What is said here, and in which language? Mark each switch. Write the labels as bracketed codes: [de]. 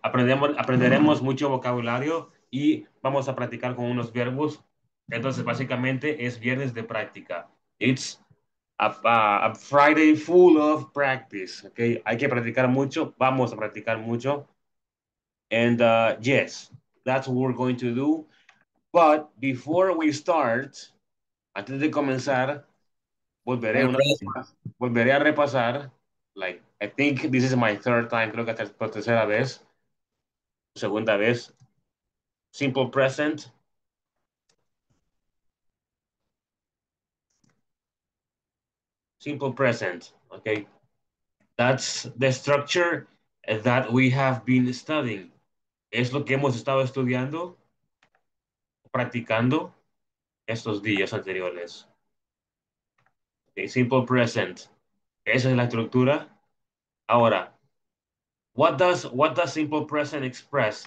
[es] Aprenderemos mucho vocabulario y vamos a practicar con unos verbos. Entonces, básicamente, es viernes de práctica. [en] It's a Friday full of practice, okay? [es] Hay que practicar mucho, vamos a practicar mucho. [en] And yes, that's what we're going to do. But before we start, [es] antes de comenzar, volveré a repasar. [en] Like, I think this is my third time, [es] creo que es la tercera vez, segunda vez. [en] Simple present. Simple present, okay. That's the structure that we have been studying. [es] Es lo que hemos estado estudiando, practicando estos días anteriores. [en] Okay, simple present. [es] Esa es la estructura. Ahora, [en] what does simple present express?